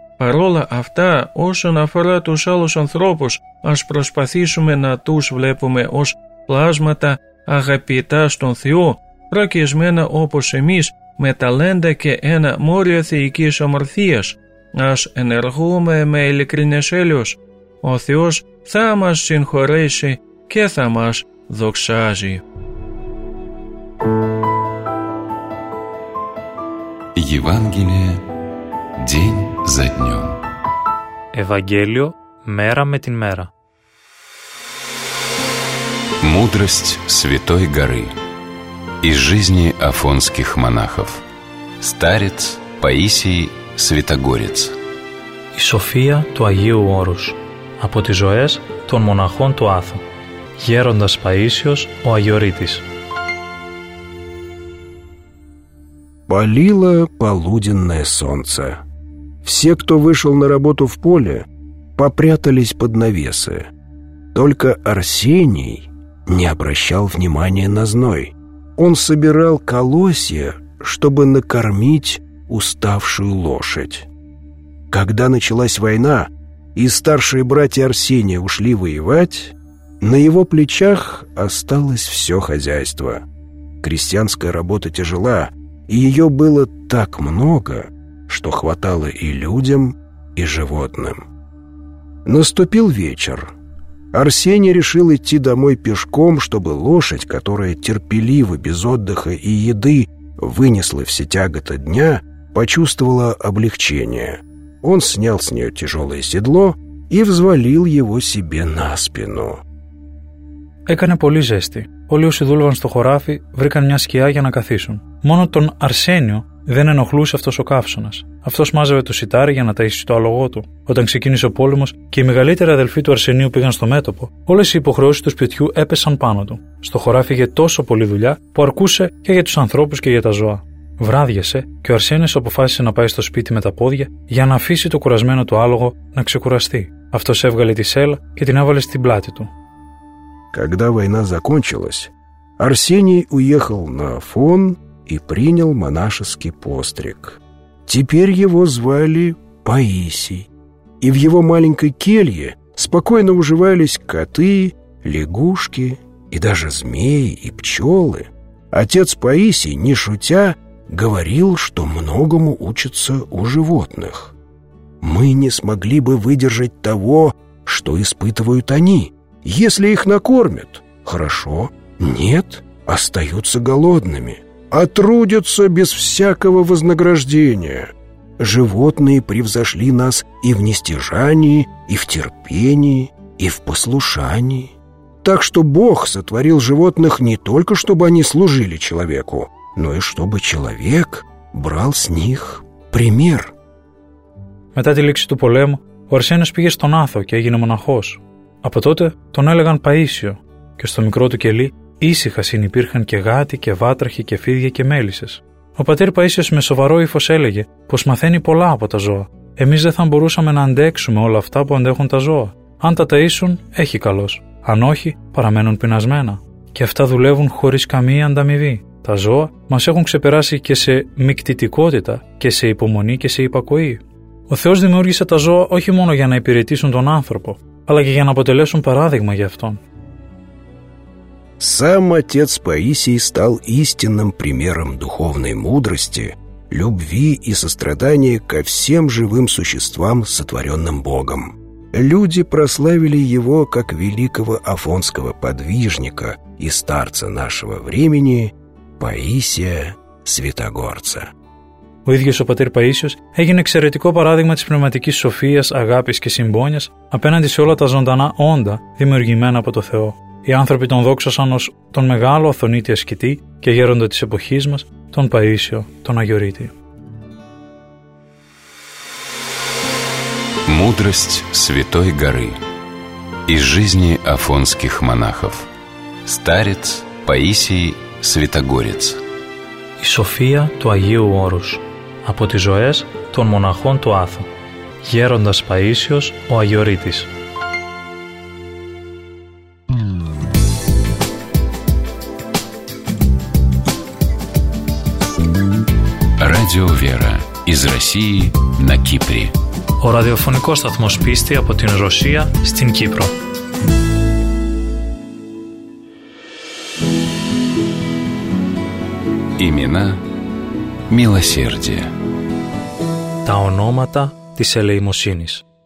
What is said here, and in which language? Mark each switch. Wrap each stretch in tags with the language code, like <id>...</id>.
<el>Παρόλα αυτά, όσον αφορά τους άλλους ανθρώπους, ας προσπαθήσουμε να τους βλέπουμε ως πλάσματα αγαπητά στον Θεό, προκειμένα όπως εμείς, με ταλέντα και ένα μόριο θεϊκής ομορφίας. Ας ενεργούμε με ειλικρινές έλεος. Ο Θεός θα μας συγχωρέσει και θα μας δοξάζει. Ευαγγέλιο,</el> <ru>день за днем. Евангелие, мера</ru> <el>με την</el> <ru>мера. Мудрость Святой Горы. Из жизни афонских монахов. Старец Паисий Святогорец. И София</ru> <el>του Αγίου Όρους. Από τις ζωές των μοναχών του Άθου. Γέροντας Παΐσιος ο Αγιορείτης.</el> <ru>Палило полуденное солнце. Все, кто вышел на работу в поле, попрятались под навесы. Только Арсений не обращал внимания на зной. Он собирал колосья, чтобы накормить уставшую лошадь. Когда началась война, и старшие братья Арсения ушли воевать, на его плечах осталось все хозяйство. Крестьянская работа тяжела, и ее было так много, что хватало и людям, и животным. Наступил вечер. Арсений решил идти домой пешком, чтобы лошадь, которая терпеливо, без отдыха и еды, вынесла все тяготы дня, почувствовала облегчение. Он снял с нее тяжелое седло и взвалил его себе на спину.</ru> <el>Έκανε πολύ ζέστη. Όλοι όσοι δούλευαν στο χωράφι βρήκαν μια σκιά για να καθίσουν. Μόνο τον Αρσένιο δεν ενοχλούσε αυτός ο καύσωνας. Αυτός μάζευε το σιτάρι για να ταΐσει το άλογο του. Όταν ξεκίνησε ο πόλεμος και οι μεγαλύτεροι αδελφοί του Αρσενίου πήγαν στο μέτωπο, όλες οι υποχρεώσεις του σπιτιού έπεσαν πάνω του. Στο χωράφι είχε τόσο πολλή δουλειά που αρκούσε και για τους ανθρώπους και για τα ζώα. Βράδιασε και ο Αρσένιος αποφάσισε να πάει στο σπίτι με τα πόδια για να αφήσει το κουρασμένο του άλογο να ξεκουραστεί. Αυτός έβγαλε τη σέλα και την έβαλε στην πλάτη του.</el> <ru>Когда война закончилась, Арсений уехал на Афон и принял монашеский постриг. Теперь его звали Паисий. и в его маленькой келье спокойно уживались коты, лягушки и даже змеи и пчелы, отец Паисий, не шутя, говорил, что многому учится у животных. «Мы не смогли бы выдержать того, что испытывают они. Если их накормят, хорошо, нет, остаются голодными, а трудятся без всякого вознаграждения. Животные превзошли нас и в нестяжании, и в терпении, и в послушании. Так что Бог сотворил животных не только, чтобы они служили человеку, но и чтобы человек брал с них пример».</ru> <el>Μετά τη λήξη του πολέμου, ο Αρσένιος πήγε στον Άθο και έγινε μοναχός. Από τότε τον έλεγαν Παΐσιο, και στο μικρό του κελί ήσυχα συνυπήρχαν και γάτοι και βάτραχοι και φίδια και μέλισσες. Ο πατήρ Παΐσιος με σοβαρό ύφος έλεγε πως μαθαίνει πολλά από τα ζώα. Εμείς δεν θα μπορούσαμε να αντέξουμε όλα αυτά που αντέχουν τα ζώα. Αν τα ταΐσουν, έχει καλώς. Αν όχι, παραμένουν πεινασμένα. Και αυτά δουλεύουν χωρίς καμία ανταμοιβή. Τα ζώα μας έχουν ξεπεράσει και σε μικτητικότητα και σε υπομονή και σε υπακοή. Ο Θεός δημιούργησε τα ζώα όχι μόνο για να υπηρετήσουν τον άνθρωπο, αλλά και για να αποτελέσουν παράδειγμα για αυτόν.</el> <ru>Сам отец Паисий стал истинным примером духовной мудрости, любви и сострадания ко всем живым существам, сотворенным Богом. Люди прославили его как великого афонского подвижника и старца нашего времени Паисия Святогорца.</ru> <el>Ο ίδιος ο πατήρ Παΐσιος έγινε εξαιρετικό παράδειγμα της πνευματικής σοφίας, αγάπης και συμπόνιας απέναντι σε όλα τα ζωντανά όντα δημιουργημένα από το Θεό. Οι άνθρωποι τον δόξασαν ως τον μεγάλο αθωνίτη ασκητή και γέροντα της εποχής μας, τον Παΐσιο, τον Αγιορείτη.</el> <ru>Μούδραστ Святой Горы. Из жизни афонских монахов. Старец Паисий Святогорец.</ru> <el>Η σοφία του Αγίου Όρους. Από τις ζωές των μοναχών του Άθου. Γέροντας Παΐσιος, ο Αγιορείτης.</el> <en>Radio Vera.</en> <ru>Из России на Кύπρο.</ru> <el>Ο ραδιοφωνικός σταθμός πίστη από την Ρωσία στην Κύπρο.</el> <ru>Имена милосердия.</ru> <el>Τα ονόματα της ελεημοσύνης.</el>